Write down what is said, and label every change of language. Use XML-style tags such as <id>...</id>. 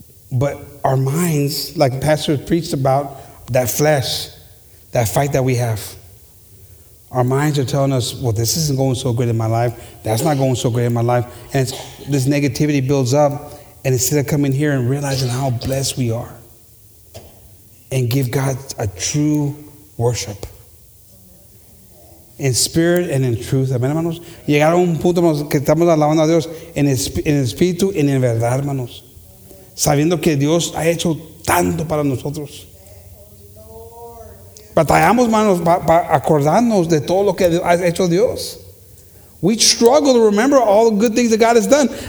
<en>But our minds, like Pastor preached about, that flesh, that fight that we have, our minds are telling us, well, this isn't going so great in my life. That's not going so great in my life. And this negativity builds up. And instead of coming here and realizing how blessed we are and give God a true worship in spirit and in truth, amen, hermanos.</en> <es>Llegar a un punto, hermanos, que estamos alabando a Dios en espíritu y en verdad, hermanos. Sabiendo que Dios ha hecho tanto para nosotros. Batallamos, hermanos, para acordarnos de todo lo que ha hecho Dios.</es> <en>We struggle to remember all the good things that God has done.</en>